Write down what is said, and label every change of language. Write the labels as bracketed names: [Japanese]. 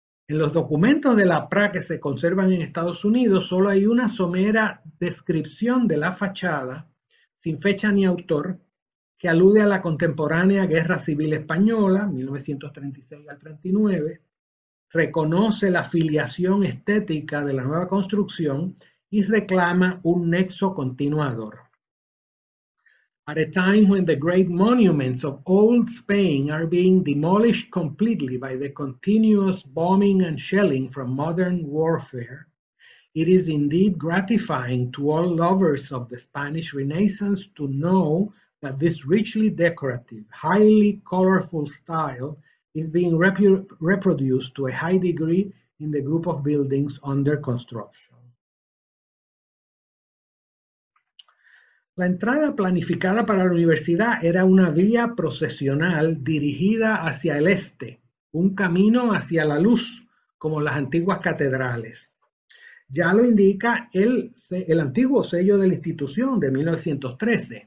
[Spanish] En los documentos de la PRA que se conservan en Estados Unidos, solo hay una somera descripción de la fachada, sin fecha ni autor, que alude a la contemporánea Guerra Civil Española, 1936 al 39, reconoce la filiación estética de la nueva construcción y reclama un nexo continuador. [English] At a time when the great monuments of old Spain are being demolished completely by the continuous bombing and shelling from modern warfare, it is indeed gratifying to all lovers of the Spanish Renaissance to know that this richly decorative, highly colorful style is being reproduced to a high degree in the group of buildings under construction. [Spanish] La entrada planificada para la universidad era una vía procesional dirigida hacia el este, un camino hacia la luz, como las antiguas catedrales. Ya lo indica el antiguo sello de la institución de 1913.